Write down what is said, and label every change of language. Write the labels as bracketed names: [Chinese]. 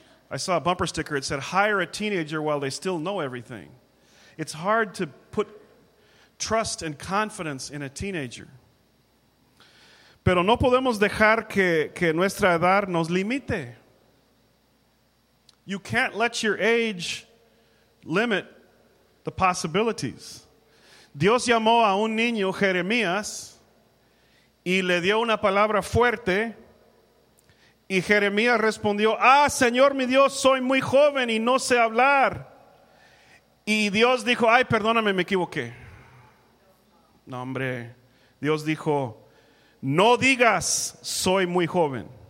[English] I saw a bumper sticker. It said, hire a teenager while they still know everything. It's hard to put trust and confidence in a teenager. [Spanish] Pero no podemos dejar que nuestra edad nos limite. [English] You can't let your age limit the possibilities. [Spanish] Dios llamó a un niño, Jeremías, y le dio una palabra fuerte. Y Jeremías respondió, ah, Señor mi Dios, soy muy joven y no sé hablar. Y Dios dijo, ay, perdóname, me equivoqué. No, hombre, Dios dijo, no digas, soy muy joven.